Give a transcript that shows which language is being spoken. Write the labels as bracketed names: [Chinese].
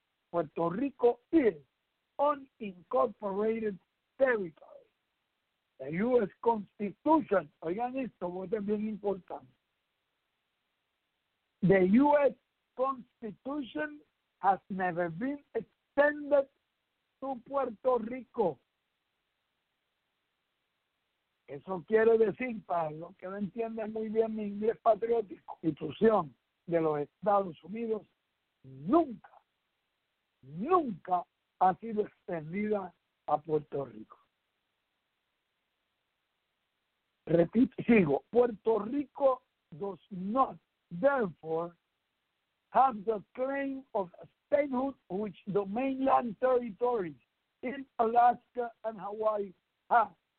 [English] Puerto Rico is unincorporated territory. The U.S. [Spanish] Constitution," oigan esto, porque es bien importante, [English] "the U.S. Constitution has never been extended to Puerto Rico." [Spanish] Eso quiere decir, para los que no entienden muy bien mi inglés patriótico, Constitución de los Estados Unidos nunca, nunca ha sido extendida a Puerto Rico. Repito, sigo: [English] "Puerto Rico does not, therefore, have the claim of statehood which the mainland territories in Alaska and Hawaii have."